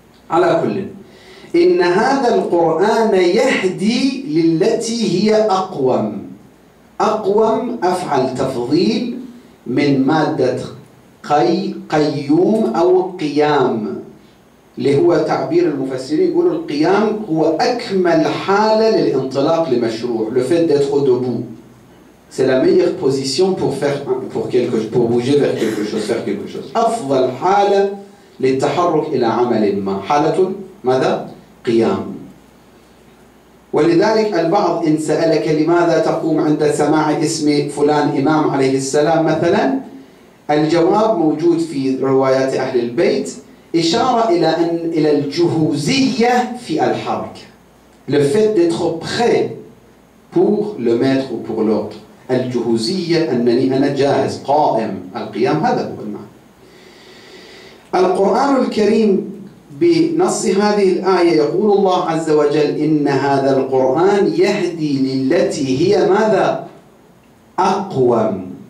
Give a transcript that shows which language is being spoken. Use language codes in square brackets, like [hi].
[ar] على كل، إن هذا القرآن يهدي للتي هي أقوم. أقوم أفعل تفضيل من مادة قيوم أو قيام، اللي هو تعبير المفسرين يقول القيام هو أكمل حالة للانطلاق لمشروع. [fr] Le fait d'être debout, c'est la meilleure position pour faire pour quelque chose, pour bouger vers quelque chose, faire quelque chose. [ar] أفضل حالة للتحرك إلى عمل ما. حالة ماذا؟ قيام. ولذلك البعض إن سألك لماذا تقوم عند سماع اسم فلان إمام عليه السلام مثلا، الجواب موجود في روايات أهل البيت، إشارة إلى أن إلى الجهوزية في الحركة. [fr] Le fait d'être prêt pour le maître ou pour l'autre. [ar] الجهوزية أنني أنا جاهز قائم. القيام هذا هو المعنى. القرآن الكريم بنص هذه الآية يقول الله عز وجل إن هذا القرآن يهدي للتي هي ماذا؟ أقوم.